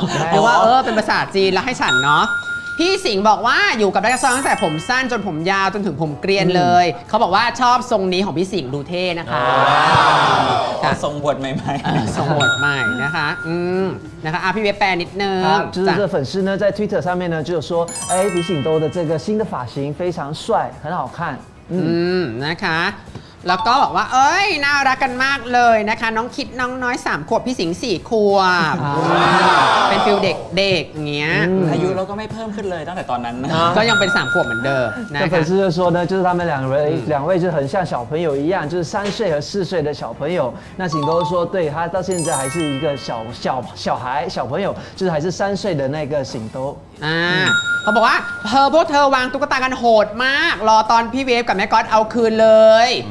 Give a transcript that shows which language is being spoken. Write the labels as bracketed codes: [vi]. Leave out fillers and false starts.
[th] แปลว่าเออเป็นภาษาจีนแล้วให้ฉันเนาะพี่สิงห์บอกว่าอยู่กับดักซองตั้งแต่ผมสั้นจนผมยาวจนถึงผมเกรียนเลยเขาบอกว่าชอบทรงนี้ของพี่สิงห์ดูเท่นะคะ ทรงบทใหม่ๆทรงบทใหม่นะคะนะคะพี่เวแปลนิดนึง [zh] 就是这粉丝呢在 Twitter 上面呢就有说哎李醒都的这个新的发型非常帅很好看 [th] นะคะแล้วก็บอกว่าเอ้ยน่ารักกันมากเลยนะคะน้องคิดน้องน้อย3ขวบพี่สิงห์4ขวบเป็นฟิลเด็กเงี้ย อายุเราก็ไม่เพิ่มขึ้นเลยตั้งแต่ตอนนั้น ก็ยังเป็น3ขวบเหมือนเดิมนะคะ [zh] 粉丝就说呢就是他们两位就很像小朋友一样就是3岁和4岁的小朋友那醒都说对他到现在还是一个小孩小朋友就是还是3岁的那个醒都 [th] เขาบอกว่าเธอพวกเธอวางตุ๊กตากันโหดมากรอตอนพี่เวฟกับแม่ก๊อตเอาคืนเลย